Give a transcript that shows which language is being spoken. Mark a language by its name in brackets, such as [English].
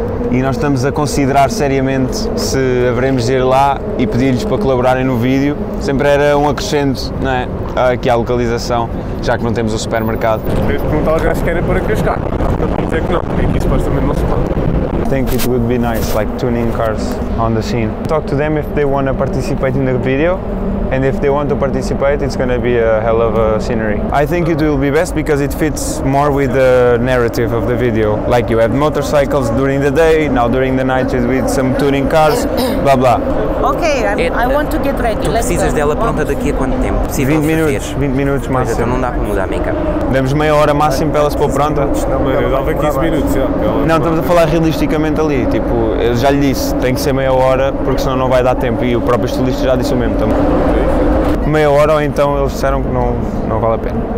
[Portuguese] E nós estamos a considerar seriamente se haveremos de ir lá e pedir-lhes para colaborarem no vídeo. Sempre era um acrescento, não é? Aqui à localização, já que não temos o supermercado. Tens de perguntar ao gajo se querem para cascar. Não dizer que não, aqui supostamente não se pode. [English] I think it would be nice, like tuning cars on the scene. Talk to them if they want to participate in the video. And if they want to participate, it's going to be a hell of a scenery. I think it will be best because it fits more with the narrative of the video. Like, you have motorcycles during the day, now during the night with some tuning cars, blah blah. Okay, I want to get ready. [Portuguese] Tu precisas dela pronta daqui a quanto tempo? Possível 20 minutos, 20 minutos máximo. Então não dá para mudar, Mica. Damos meia hora máximo para ela se pôr pronta. Não, eu dava 15 minutos, já. Não, estamos a falar realisticamente ali. Tipo, eu já lhe disse, tem que ser meia hora porque senão não vai dar tempo. E o próprio estilista já disse o mesmo também. Meia hora, ou então eles disseram que não vale a pena.